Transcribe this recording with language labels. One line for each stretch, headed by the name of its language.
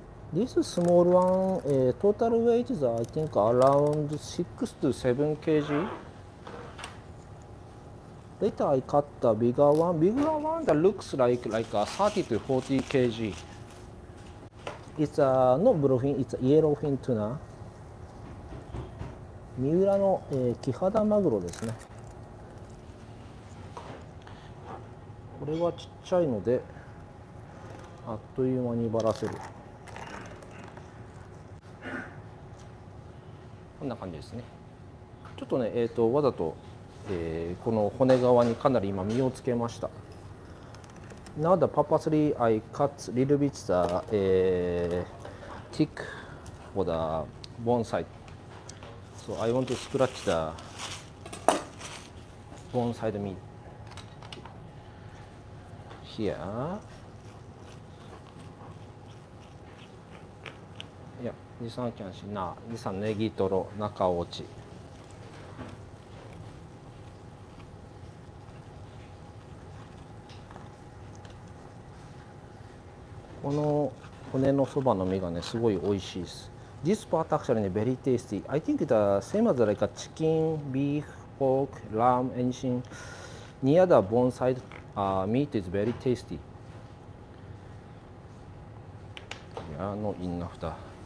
English: This small one, total weight is, I think, around 6 to 7 kg. Later I cut the bigger one. Bigger one that looks like a 30 to 40 kg. It's a not bluefin, it's a yellowfin tuna.
Japanese: 三浦の、キハダマグロですね。これはちっちゃいので、あっという間にバラせる。こんな感じですね。ちょっとね、わざと。この骨側にかなり今身をつけました。
English: Now the purposely I cut little bit the tick for the bone side. So I want to scratch the bone side meat here. Yeah, this one can see. Now this one ネギトロ中落ち。
Japanese: この骨のそばの身がね、すごい美味しいです。
English: This part actually ね、very tasty. I think the same as like a chicken, beef, pork, lamb, anything near the bone side, meat is very tasty. Yeah, no enough だ。